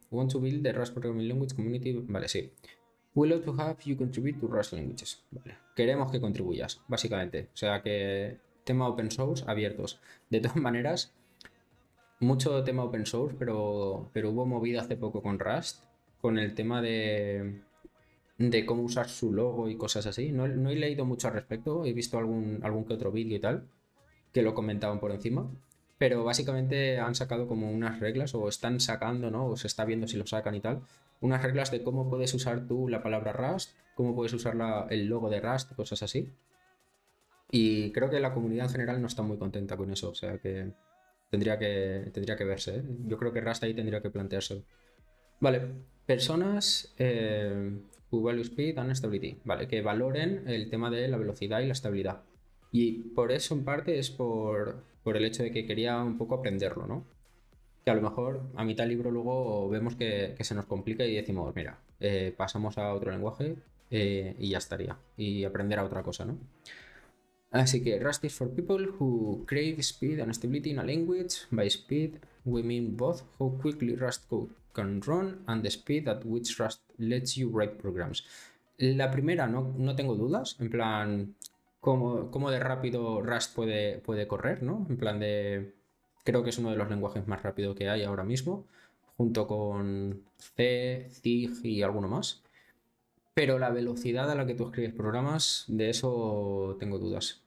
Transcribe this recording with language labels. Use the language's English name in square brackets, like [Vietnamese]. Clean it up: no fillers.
[English] Want to build the Rust Programming Language Community. [Spanish] Vale, sí. [English] We love to have you contribute to Rust Languages. [Spanish] Vale. Queremos que contribuyas, básicamente. O sea, que tema open source abiertos. De todas maneras, mucho tema open source, pero hubo movida hace poco con Rust, con el tema de cómo usar su logo y cosas así. No he leído mucho al respecto, he visto algún que otro vídeo y tal, que lo comentaban por encima, pero básicamente han sacado como unas reglas, o están sacando, ¿no? O se está viendo si lo sacan y tal, unas reglas de cómo puedes usar tú la palabra Rust, cómo puedes usar el logo de Rust, cosas así. Y creo que la comunidad en general no está muy contenta con eso, o sea que tendría que verse, ¿eh? Yo creo que Rust ahí tendría que planteárselo. Vale, personas. [English] Value Speed and Stability, [Spanish] vale, que valoren el tema de la velocidad y la estabilidad. Y por eso en parte es por el hecho de que quería un poco aprenderlo, ¿no? Que a lo mejor a mitad del libro luego vemos que se nos complica y decimos, mira, pasamos a otro lenguaje y ya estaría, y aprender a otra cosa, ¿no? Así que [English] Rust is for people who crave speed and stability in a language. By speed, we mean both how quickly Rust code can run and the speed at which Rust lets you write programs. [Spanish] La primera, no tengo dudas, en plan, cómo de rápido Rust puede correr, ¿no? En plan de, creo que es uno de los lenguajes más rápidos que hay ahora mismo, junto con C, Zig y alguno más. Pero la velocidad a la que tú escribes programas, de eso tengo dudas.